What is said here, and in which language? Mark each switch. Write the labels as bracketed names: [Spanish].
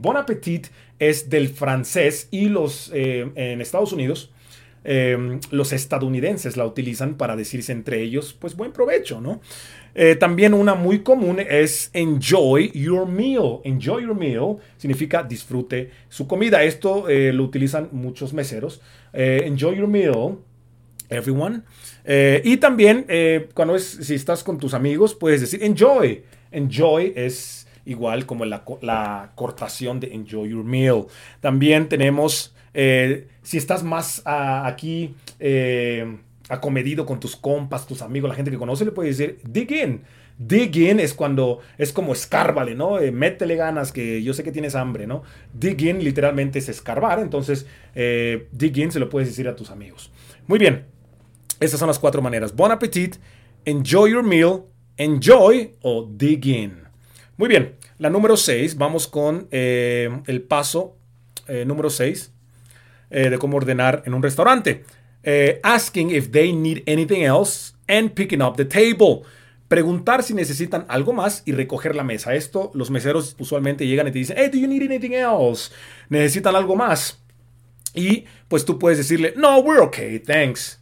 [Spanish] Bon appétit es del francés y los en Estados Unidos. Los estadounidenses la utilizan para decirse entre ellos, pues buen provecho, ¿no? También una muy común es [English] enjoy your meal. Enjoy your meal [Spanish] significa disfrute su comida. Esto lo utilizan muchos meseros. [English] Enjoy your meal, everyone. [Spanish] Y también cuando es, si estás con tus amigos, puedes decir enjoy. Enjoy es igual como la cortación de enjoy your meal. También tenemos si estás más aquí acomedido con tus compas, tus amigos, la gente que conoce, le puedes decir dig in. Dig in es cuando es como escárbale, ¿no? Métele ganas, que yo sé que tienes hambre, ¿no? Dig in literalmente es escarbar, entonces dig in se lo puedes decir a tus amigos. Muy bien, esas son las cuatro maneras: bon appetit, [English] enjoy your meal, [Spanish] enjoy o dig in. Muy bien, la número 6, vamos con el paso número 6. De cómo ordenar en un restaurante. [English] Asking if they need anything else and picking up the table. [Spanish] Preguntar si necesitan algo más y recoger la mesa. Esto, los meseros usualmente llegan y te dicen, [English] hey, do you need anything else? [Spanish] ¿Necesitan algo más? Y pues tú puedes decirle, no, [English] we're okay, thanks.